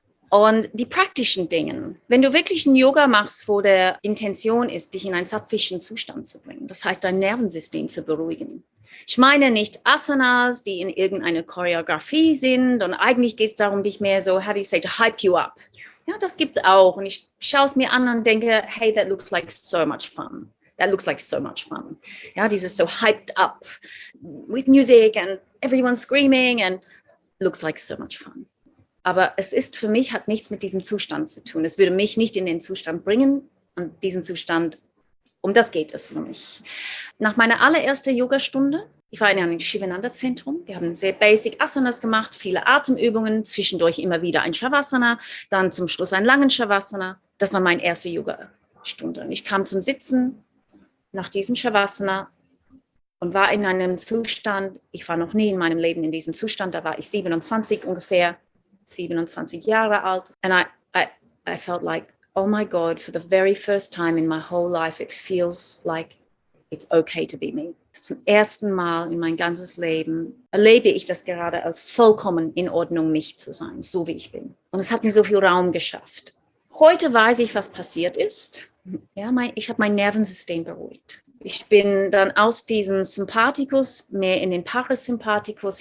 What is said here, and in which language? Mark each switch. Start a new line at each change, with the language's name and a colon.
German: Und die praktischen Dinge, wenn du wirklich ein Yoga machst, wo der Intention ist, dich in einen sattvischen Zustand zu bringen, das heißt, dein Nervensystem zu beruhigen. Ich meine nicht Asanas, die in irgendeiner Choreografie sind und eigentlich geht es darum, dich mehr so,
English: how do you say, to hype you up.
German: Ja, das gibt's auch. Und ich schaue es mir an und denke,
English: hey, that looks like so much fun. That looks like so much fun.
German: Ja, dieses so
English: hyped up with music and everyone screaming and looks like so much fun.
German: Aber es ist für mich, hat nichts mit diesem Zustand zu tun. Es würde mich nicht in den Zustand bringen und diesen Zustand, um das geht es für mich. Nach meiner allerersten Yogastunde, ich war in einem Shivananda-Zentrum. Wir haben sehr basic Asanas gemacht, viele Atemübungen, zwischendurch immer wieder ein Shavasana, dann zum Schluss einen langen Shavasana. Das war meine erste Yoga-Stunde. Und ich kam zum Sitzen nach diesem Shavasana und war in einem Zustand, ich war noch nie in meinem Leben in diesem Zustand, da war ich 27 ungefähr, 27 Jahre alt.
English: And I felt like, oh my God, for the very first time in my whole life, it feels like it's okay to be me.
German: Zum ersten Mal in mein ganzes Leben erlebe ich das gerade als vollkommen in Ordnung, mich zu sein, so wie ich bin. Und es hat mir so viel Raum geschafft. Heute weiß ich, was passiert ist. Ja, ich habe mein Nervensystem beruhigt. Ich bin dann aus diesem Sympathikus mehr in den Parasympathikus.